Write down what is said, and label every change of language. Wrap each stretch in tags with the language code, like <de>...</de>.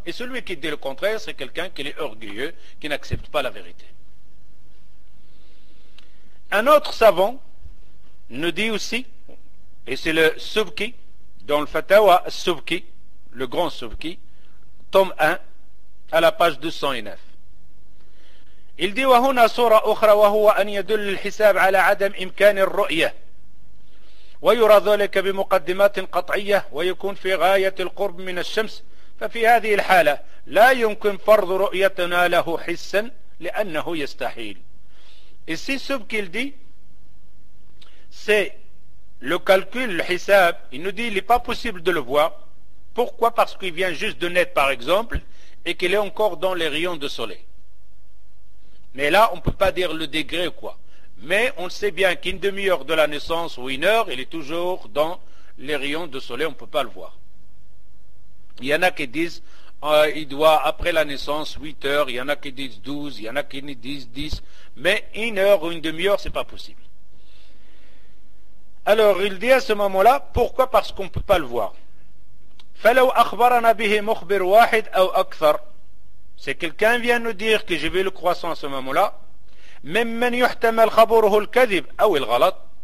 <fr>Et celui qui dit le contraire, c'est quelqu'un qui est orgueilleux, qui n'accepte pas la vérité. Un autre savant nous dit aussi, et c'est le Subki, dans le Fatawa Subki, le grand Subki, tome 1, à la page 209. Il dit,</fr> <ar>وهنا صورة أخرى وهو أن يدل الحساب على عدم إمكان الرؤية ويرى ذلك بمقدمات قطعية ويكون في غاية القرب من الشمس ففي هذه الحالة لا يمكن فرض رؤيتنا له حسا لأنه يستحيل.</ar> <fr>Ici, Subki dit, c'est le calcul, le حساب, il nous dit, il n'est pas possible de le voir. Pourquoi ? Parce qu'il vient juste de naître, par exemple, et qu'il est encore dans les rayons de soleil. Mais là, on ne peut pas dire le degré, quoi. Mais on sait bien qu'une demi-heure de la naissance ou une heure, il est toujours dans les rayons de soleil, on ne peut pas le voir. Il y en a qui disent, il doit, après la naissance, 8 heures, il y en a qui disent 12, il y en a qui disent 10, mais une heure ou une demi-heure, ce n'est pas possible. Alors, il dit à ce moment-là, pourquoi ? Parce qu'on ne peut pas le voir.</fr> <ar>فلو أخبرنا به مخبر واحد أو أكثر.</ar> <fr>C'est quelqu'un vient nous dire que j'ai vu le croissant à ce moment-là.</fr> <ar>ممن يحتمل خبره الكذب أو الغلط.</ar>